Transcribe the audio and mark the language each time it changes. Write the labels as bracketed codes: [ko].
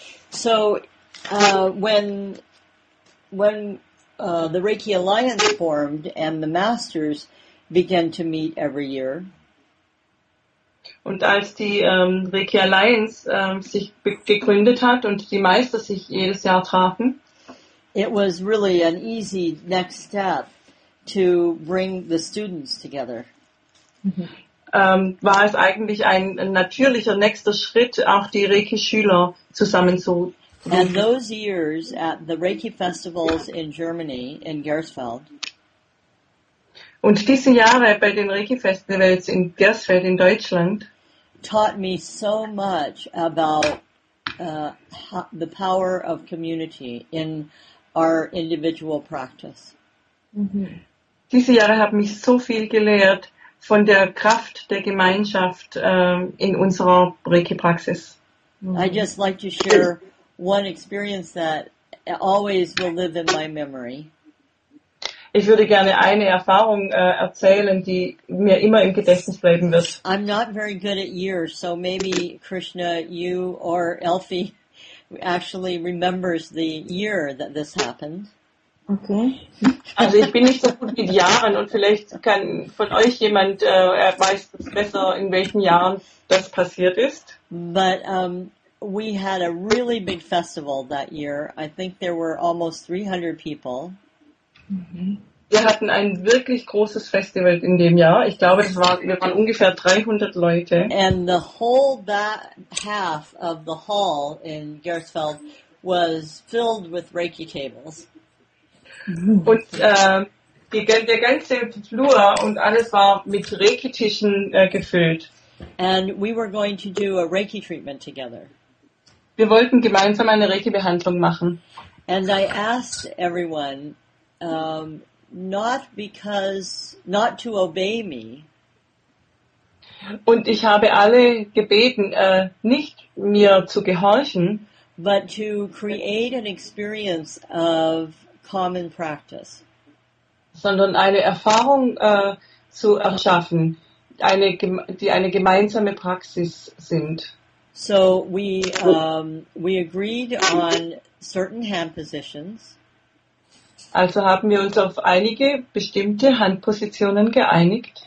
[en] So, when the Reiki Alliance formed and the Masters began to meet every year, [de] und als die Reiki Alliance sich gegründet hat und die Meister sich jedes Jahr trafen, [en] it was really an easy next step to bring the students together. [de] War es eigentlich ein natürlicher nächster Schritt, auch die Reiki-Schüler zusammenzubringen. [en] And those years at the Reiki festivals in Germany, in Gersfeld, [de] und diese Jahre bei den Reiki-Festivals in Gersfeld in Deutschland [en] taught me so much about the power of community in our individual practice. Mm-hmm. [de] Diese Jahre haben mich so viel gelehrt von der Kraft der Gemeinschaft in unserer Reiki-Praxis. [en] Mm-hmm. I just like to share one experience that always will live in my memory. [de] Ich würde gerne eine Erfahrung erzählen, die mir immer im Gedächtnis bleiben wird. [en] I'm not very good at years, so maybe Krishna, you or Elfie actually remembers the year that this happened. Okay. [de] Also ich bin nicht so gut mit Jahren und vielleicht kann von euch jemand weiß besser, in welchen Jahren das passiert ist. [en] But we had a really big festival that year. I think there were almost 300 people. [de] Wir hatten ein wirklich großes Festival in dem Jahr. Ich glaube, wir waren ungefähr 300 Leute. [en] And the whole back half of the hall in Gersfeld was filled with Reiki tables. [de] Und der ganze Flur und alles war mit Reiki-Tischen gefüllt. [en] And we were going to do a Reiki treatment together. [de] Wir wollten gemeinsam eine Reiki-Behandlung machen. [en] And I asked everyone, not to obey me. [de] Und ich habe alle gebeten, nicht mir zu gehorchen, [en] but to create an experience of common practice. [de] sondern eine Erfahrung zu erschaffen, die eine gemeinsame Praxis sind. [en] So we agreed on certain hand positions. [de] Also haben wir uns auf einige bestimmte Handpositionen geeinigt.